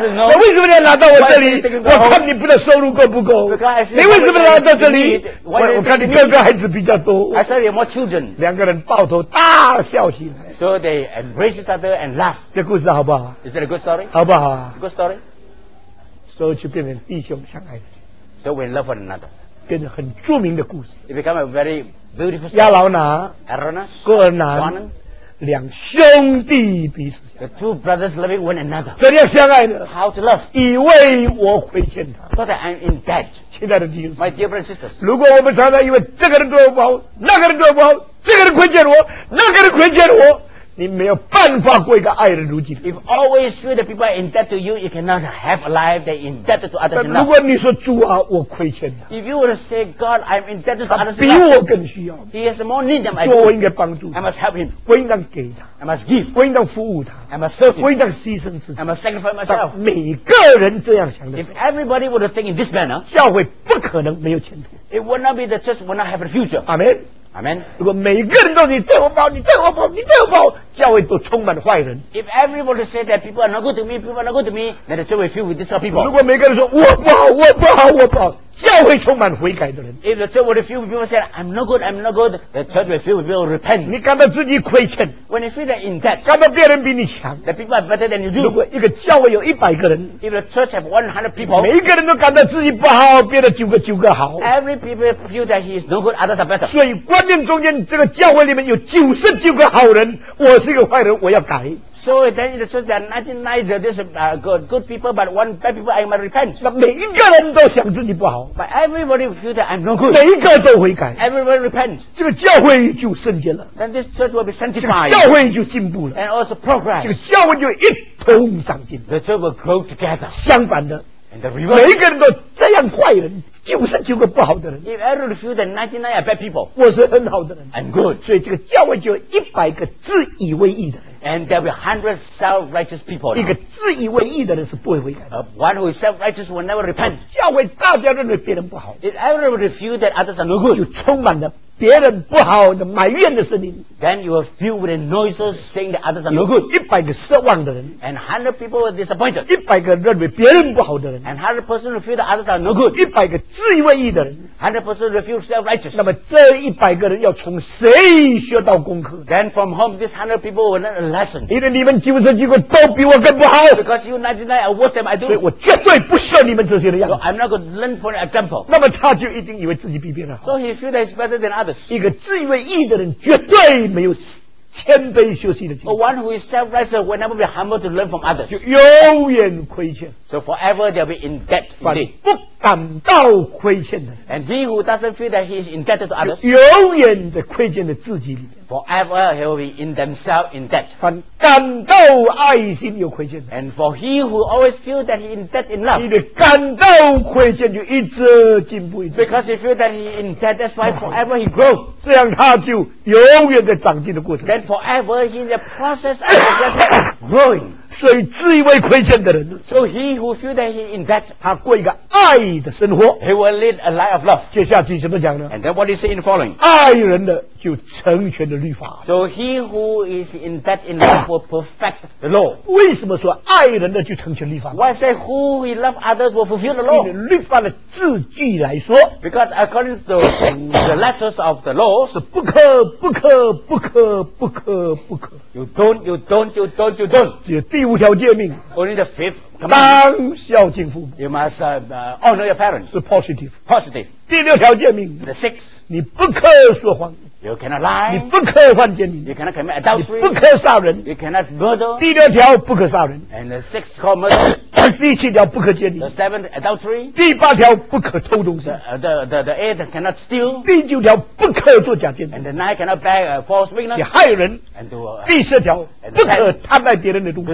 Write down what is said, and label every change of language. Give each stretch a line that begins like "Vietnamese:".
Chinese: 那为什么要拿到我这里？我看你不知道收入够不够。你为什么拿到这里？我看你哥哥孩子比较多。
English: I said you have more children.
Chinese: 两个人抱头大笑起来。
English: So they embrace each other and laugh.
Chinese: 这故事好不好
English: ？Is that a good story?
Chinese: 好不好
English: ？Good story.
Chinese: 所以就变成弟兄相爱的
English: ，so we love one another，
Chinese: 变成很著名的故事。
English: It become a very beautiful story.
Chinese: 亚劳拿、亚劳拿、哥尔拿，两兄弟彼此。
English: The two brothers loving one another.
Chinese: 怎样相爱呢
English: ？How to love？
Chinese: 以为我亏欠他。
English: Thought I'm in debt.
Chinese: 亲爱的弟兄
English: ，My dear brothers and sisters，
Chinese: 如果我们常常以为这个人对我不好，那个人对我不好，这个人亏欠我，那个人亏欠我。你没有办法过一个爱人如己。
English: If always feel the people are in debt to you, you cannot have a life that in debt to others.
Chinese: 如果你说主啊，我亏欠他。
English: If you would say God, I'm in debt to others.
Chinese: 他比我更需要。
English: He has more need than I do.
Chinese: 说我应该帮助他。
English: I must help him.
Chinese: 我应当给他。
English: I must give.
Chinese: 我应当服务他。
English: I must serve him.
Chinese: 我应当牺牲自己。
English: I must sacrifice myself.
Chinese: 每个人这样想的。
English: If everybody would think in this manner,
Chinese: 教会不可能没有前途。
English: It would not be the church would not have a future. Amen. Amen.
Chinese: 如果每个人都你对我不好，你对我不好，你对我不好，教会都充满坏人。
English: If everybody say that people are not good to me, people are not good to me, then the church will fill with these people.
Chinese: 如果每个人说我不好，我不好，我不好，教会充满悔改的人。
English: If the church would fill with people say I'm not good, I'm not good, the church will fill with people repent.
Chinese: 你感到自己亏欠。
English: When you feel that in debt.
Chinese: 感到别人比你强。
English: The people are better than you do.
Chinese: 如果一个教会有100个人。
English: If the church have 100 people.
Chinese: 每一个人都感到自己不好，别的九个九个好。
English: Every people feel that he is no good, others are better.
Chinese: 所以观念中间这个教会里面有99个好人，我是一个坏人，我要改。
English: So then it says that 99 this good people, but one bad people, I must repent.
Chinese: 那每一个人都想自己不好。
English: But everybody feels that I'm no good.
Chinese: 每一个都悔改。
English: Everybody repents.
Chinese: 这个教会就圣洁了。
English: Then this church will be sanctified.
Chinese: 教会就进步了。
English: And also progress.
Chinese: 这个教会就一同长进。
English: The church will grow together.
Chinese: 相反的。
English: And the reverse.
Chinese: 每一个人都这样坏人，99个不好的人。
English: If everyone feels that 99 are bad people,
Chinese: 我是很好的人。
English: I'm good.
Chinese: 所以这个教会就有100个自以为义的人。
English: And there will be 100 self-righteous people.
Chinese: 一个自以为义的人是不会悔改的。
English: One who is self-righteous will never repent.
Chinese: 教会大家认为别人不好。
English: If everyone feels that others are no good,
Chinese: 就充满了别人不好的埋怨的声音。
English: Then you will feel with the noises saying that others are no good.
Chinese: 100个失望的人。
English: And 100 people were disappointed.
Chinese: 100个认为别人不好的人。
English: And 100 persons feel that others are no good.
Chinese: 100个自以为义的人。
English: 100 persons feel self-righteous.
Chinese: 那么这100个人要从谁学到功课？
English: Then from whom these 100 people will learn a lesson.
Chinese: 因为你们99都比我更不好。
English: Because you 99 are worse than I do.
Chinese: 所以我绝对不学你们这些的样子。
English: So I'm not going to learn from an example.
Chinese: 那么他就一定以为自己比别人好。
English: So he feels that he's better than others.
Chinese: 一个自以为义的人绝对没有谦卑休息的机会。
English: A one who is self-righteous will never be humble to learn from others.
Chinese: 就永远亏欠。
English: So forever they'll be in debt.
Chinese: 反不感到亏欠的。
English: And he who doesn't feel that he is indebted to others.
Chinese: 永远的亏欠的自己里面。
English: Forever he will be in themselves in debt.
Chinese: 反感到爱心有亏欠。
English: And for he who always feel that he is in debt in love.
Chinese: 因为感到亏欠就一直进步一直。
English: Because he feel that he is in debt, that's why forever he grows.
Chinese: 这样他就永远在长进的过程。
English: Then forever he in the process of growing.
Chinese: 所以自以为亏欠的人。
English: So he who feel that he in debt.
Chinese: 他过一个爱的生活。
English: He will lead a life of love.
Chinese: 接下去怎么讲呢？
English: And then what is he in the following?
Chinese: 爱人的就成全了律法。
English: So he who is in debt in love will perfect the law.
Chinese: 为什么说爱人的就成全律法？
English: Why say who he love others will fulfill the law?
Chinese: 因为律法的字句来说，
English: Because according to the letters of the law,
Chinese: 是不可不可不可不可不可。
English: You don't.
Chinese: 只有第五条诫命。
English: Only the fifth.
Chinese: 当孝敬父母。
English: You must honor your parents.
Chinese: 是 positive.
English: Positive.
Chinese: 第六条诫命。
English: The sixth.
Chinese: 你不可说谎。
English: You cannot lie.
Chinese: 你不可犯奸淫。
English: You cannot commit adultery.
Chinese: 你不可杀人。
English: You cannot murder.
Chinese: 第六条不可杀人。
English: And the sixth called murder.
Chinese: 第七条不可奸淫。
English: The seventh adultery.
Chinese: 第八条不可偷东西。
English: The eighth cannot steal.
Chinese: 第九条不可做假见证。
English: And the ninth cannot bear a false witness.
Chinese: 你害人。
English: And to,
Chinese: 第十条不可贪爱别人的东西。